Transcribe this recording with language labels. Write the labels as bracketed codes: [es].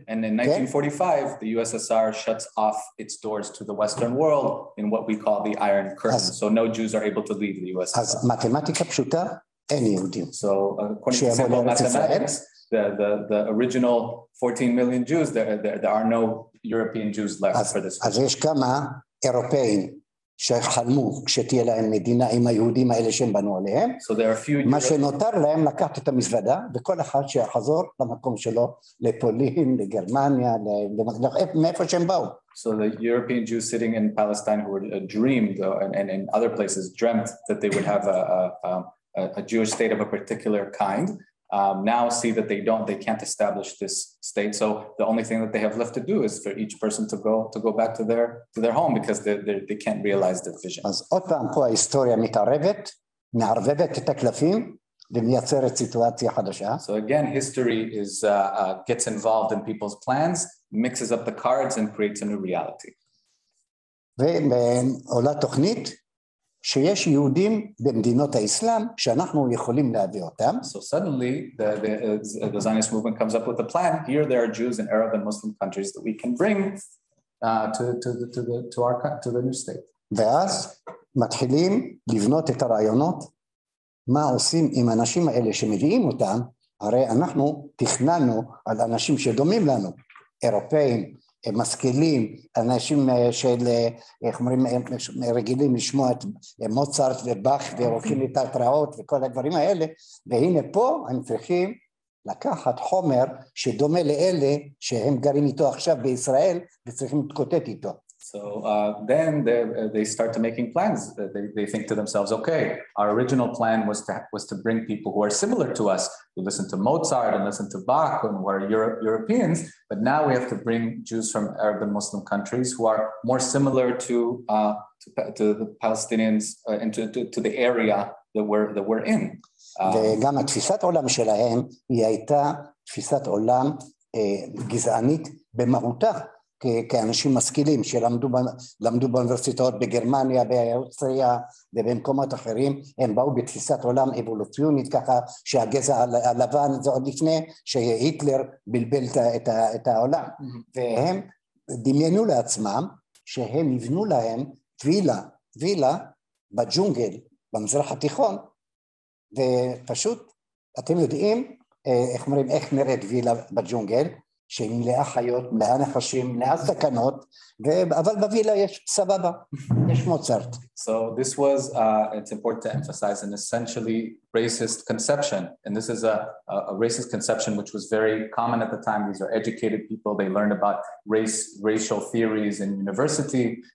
[en] And in 1945, the USSR shuts off its doors to the Western world in what we call the Iron Curtain. So no Jews are able to leave the USSR. [he] אז מתמטיקה פשוטה, אין יהודים. [en] So according to simple mathematics, the original 14 million Jews, there are no European Jews left for this. [he] אז יש כמה אירופאים. שחלמו כשתהיה להם מדינה עם היהודים האלה שהם בנו עליהם. [en] So there are a few [he] מה שנותר להם לקחת את המזוודה, וכל אחד שיחזור למקום שלו, לפולין, לגרמניה, מאיפה שהם באו. [en] So the European Jews sitting in Palestine who dreamed, and in other places dreamt that they would have a Jewish state of a particular kind, now see that they can't establish this state, so the only thing that they have left to do is for each person to go back to their home because they can't realize the vision. [he] אז עוד פעם פה ההיסטוריה מתערבת, מערבבת את הקלפים ומייצרת סיטואציה חדשה. [en] So again, history is gets involved in people's plans, mixes up the cards and creates a new reality. [he] ועולה תוכנית שיש יהודים במדינות האסלאם שאנחנו יכולים להביא אותם. [en] So suddenly the Zionist movement comes up with a plan. Here there are Jews in Arab and Muslim countries that we can bring to the new state. [he] ואז מתחילים לבנות את הרעיונות. מה עושים עם אנשים האלה שמביאים אותם? הרי אנחנו תכננו על אנשים שדומים לנו, אירופאים, משכילים, אנשים של, איך אומרים, רגילים לשמוע את מוצרט ובאך ורוקים לתת רעות וכל הדברים האלה, והנה פה הם צריכים לקחת חומר שדומה לאלה שהם גרים איתו עכשיו בישראל וצריכים להתקוטט איתו. [en] So then they start to making plans. They think to themselves, okay, our original plan was to bring people who are similar to us, who listen to Mozart and listen to Bach and who are Europeans, but now we have to bring Jews from Arab and Muslim countries who are more similar to the Palestinians into the area that we're in. [he] וגם תפיסת עולם שלהם היא הייתה תפיסת עולם גזענית במהותה. כאנשים משכילים שלמדו באוניברסיטאות בגרמניה, באוסטריה ובמקומות אחרים, הם באו בתפיסת עולם אבולוציונית ככה שהגזע הלבן זה עוד לפני שהיטלר בלבל את העולם. והם דמיינו לעצמם שהם יבנו להם וילה בג'ונגל, במזרח התיכון, ופשוט אתם יודעים איך אומרים איך נראית וילה בג'ונגל, שהיא מלאה חיות, מלאה נחשים, מלאה סכנות, אבל בווילה יש סבבה, יש מוצרט. [en] So this was, it's important to emphasize, an essentially racist conception. And this is a racist conception which was very common at the time. These are educated people. They learned about racial theories in university.